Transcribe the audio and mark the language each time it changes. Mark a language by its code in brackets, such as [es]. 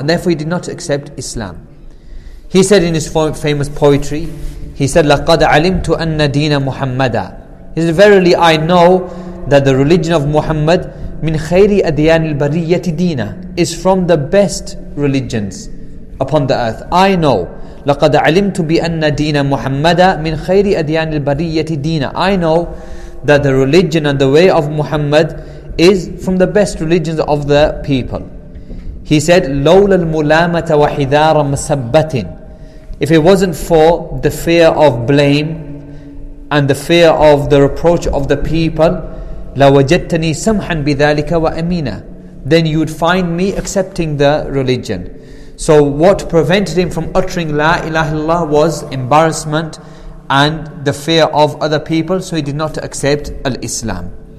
[en] And therefore he did not accept Islam. He said in his famous poetry, he said, [ar] لَقَدْ عَلِمْتُ أَنَّ دِينَ مُحَمَّدًا. [en] He said, "Verily I know that the religion of Muhammad, [ar] مِنْ خَيْرِ أَدْيَانِ الْبَرِيَّةِ دِينَ, [en] is from the best religions upon the earth. I know, [ar] لَقَدْ عَلِمْتُ بِأَنَّ دِينَ مُحَمَّدًا مِنْ خَيْرِ أَدْيَانِ الْبَرِيَّةِ دِينَ. [en] I know that the religion and the way of Muhammad is from the best religions of the people. He said, [ar] لَوْلَ الْمُلَامَةَ وَحِذَارَ مَسَبَّةٍ. [en] If it wasn't for the fear of blame and the fear of the reproach of the people, [ar] لَوَجَدْتَنِي سَمْحًا بِذَلِكَ وَأَمِينَ, [en] then you would find me accepting the religion. So what prevented him from uttering La ilaha illallah was embarrassment and the fear of other people, so he did not accept al-Islam.